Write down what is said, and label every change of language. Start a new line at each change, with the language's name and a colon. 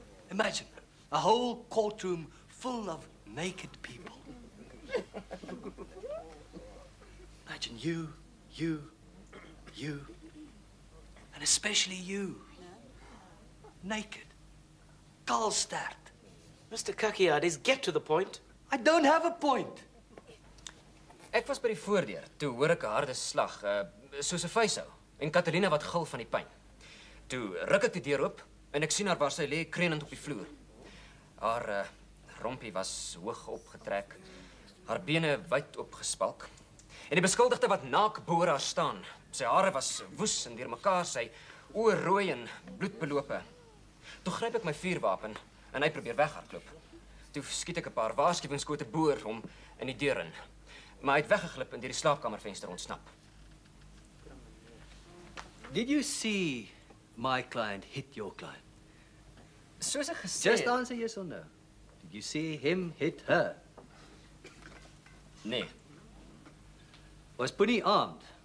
English: Imagine a whole courtroom full of naked people. Imagine you, you, you, and especially you, naked, Karlstadt. Mr. Kakiadis, get to the point. I don't have a point.
Afrikaans: Ek was by die voordeur, toe hoor ek 'n harde slag, soos 'n vuishou, en Catalina wat gil van die pyn. Toe ruk ek die deur oop, en ek sien haar waar sy lê, krenend op die vloer. Haar rompie was hoog opgetrek, haar bene wyd opgespalk, en die beskuldigde wat naak boor haar staan. Sy hare was woes en deur mekaar, sy oor rooi en bloedbelope. Toe gryp ek my vuurwapen, en hy probeer weghardloop. Toe skiet ek 'n paar waarskuwingsskote boor hom in die deur in. Maar hy het weggeglip en deur die slaapkamervenster ontsnap.
English: Did you see my client hit your client?
Afrikaans: Soos ek gesê.
English: Just answer yes or no. Did you see him hit her?
Afrikaans: Nee.
English: Was Bunny armed?